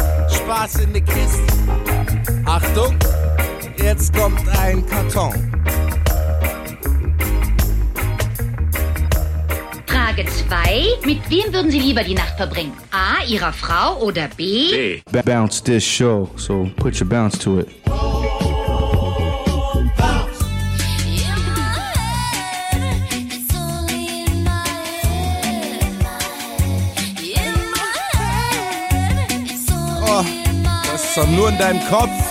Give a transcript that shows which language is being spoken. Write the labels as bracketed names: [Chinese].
[German] Spaß in der Kiste. Achtung! Jetzt kommt ein Karton. Frage 2. Mit wem würden Sie lieber die Nacht verbringen? A. Ihrer Frau oder B. B. [English] Bounce this show, so put your bounce to it. [German] Oh, das ist doch nur in deinem Kopf.